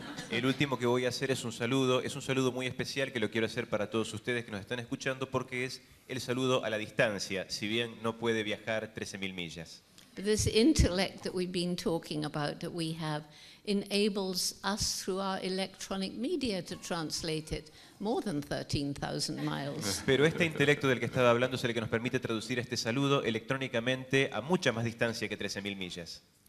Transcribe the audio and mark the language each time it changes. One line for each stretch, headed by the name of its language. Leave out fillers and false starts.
Spanish: El último que voy a hacer es un saludo muy especial que lo quiero hacer para todos ustedes que nos están escuchando, porque es el saludo a la distancia, si bien no puede viajar 13,000 millas.
English: But this intellect that we've been talking about, that we have, enables us through our electronic media to translate it more than 13,000 miles.
Spanish: Pero este intelecto del que estaba hablando es el que nos permite traducir este saludo electrónicamente a mucha más distancia que 13,000 millas.